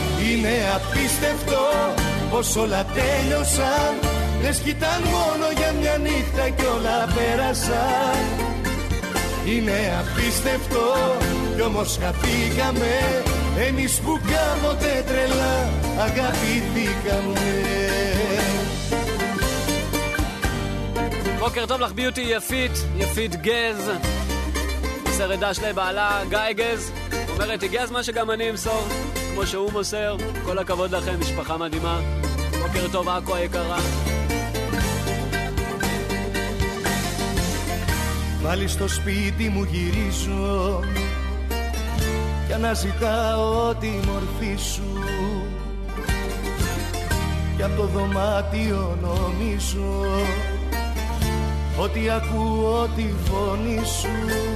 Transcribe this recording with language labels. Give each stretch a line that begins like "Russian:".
Greek: Είναι απίστευτο πως όλα τέλειωσαν λες κι ήταν μόνο για μια νύχτα κι όλα πέρασαν. Είναι απίστευτο κι όμως χαθήκαμε εμείς που κάποτε τρελά αγαπηθήκαμε.
Hebrew: בוקר טוב לך ביוטי יפית, יפית גז, שרדה שלי בעלה גיא גז, אומרת הגיע הזמן שגם אני אמסור, כמו שהוא מוסר, כל הכבוד לכם, משפחה מדהימה, בוקר טוב אקו היקרה.
Greek: Πάλι στο σπίτι μου γυρίζω κι αναζητάω τη μορφή σου κι απ' το δωμάτιο νομίζω ότι ακούω τη φωνή σου